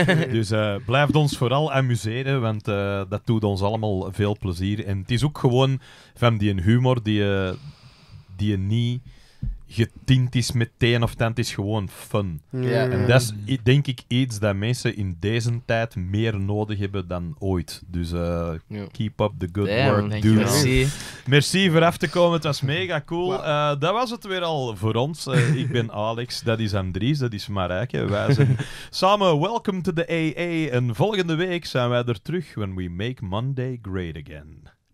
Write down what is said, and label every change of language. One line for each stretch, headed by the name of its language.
Dutch: Dus blijf ons vooral amuseren, want dat doet ons allemaal veel plezier. En het is ook gewoon van die humor die je niet... getint is met teen of tent, is gewoon fun. En dat is, denk ik, iets dat mensen in deze tijd meer nodig hebben dan ooit. Dus
English: keep up the good work, dude.
Dutch: Merci voor af te komen, het was mega cool. Wow. Dat was het weer al voor ons. Ik ben Alex, dat is Andries, dat is Marijke. Wij zijn samen Welcome to the AA. En volgende week zijn wij er terug
English: when we make Monday great again.